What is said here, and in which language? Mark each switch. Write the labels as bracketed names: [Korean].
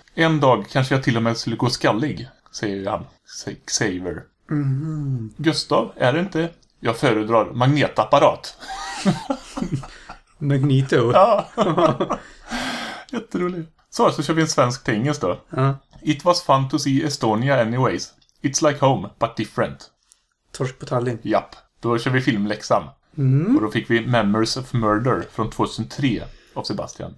[Swedish] En dag kanske jag till och med skulle gå skallig, säger han. Xavier. Mm. Gustav, är det inte? Jag föredrar magnetapparat. Magneto? Ja. Jätteroligt. Så kör vi en svensk tingens då. [English] It was fun to see Estonia anyways. It's like home, but different. [Swedish] Torsk på Tallinn. Japp. Då kör vi filmläxan. Mm. Och då fick vi Memories of Murder från 2003 av Sebastian.